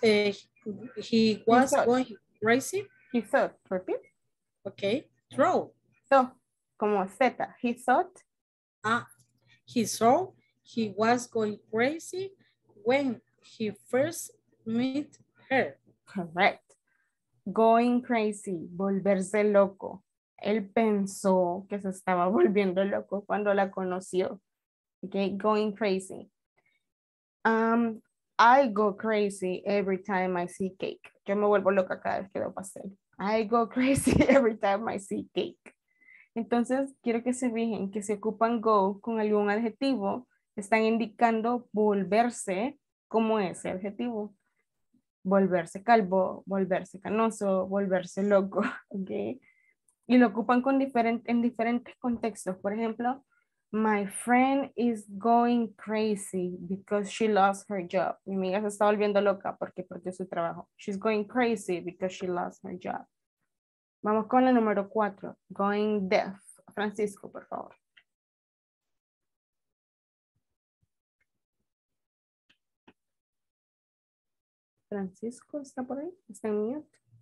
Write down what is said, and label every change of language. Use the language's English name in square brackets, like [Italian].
[English] He was going crazy when he first met her. Correct. Going crazy, [Spanish] volverse loco. Él pensó que se estaba volviendo loco cuando la conoció. [English] Okay, going crazy. I go crazy every time I see cake. [Spanish] Yo me vuelvo loca cada vez que veo pastel. [English] I go crazy every time I see cake. [Spanish] Entonces, quiero que se fijen que si ocupan go con algún adjetivo, están indicando volverse como ese adjetivo. Volverse calvo, volverse canoso, volverse loco. ¿Okay? Y lo ocupan con en diferentes contextos. Por ejemplo, [English] my friend is going crazy because she lost her job. [Spanish] Mi amiga se está volviendo loca porque perdió su trabajo. [English] She's going crazy because she lost her job. [Spanish] Vamos con la número cuatro. Going deaf. Francisco, por favor. Francisco, ¿está por ahí? ¿Está en mute?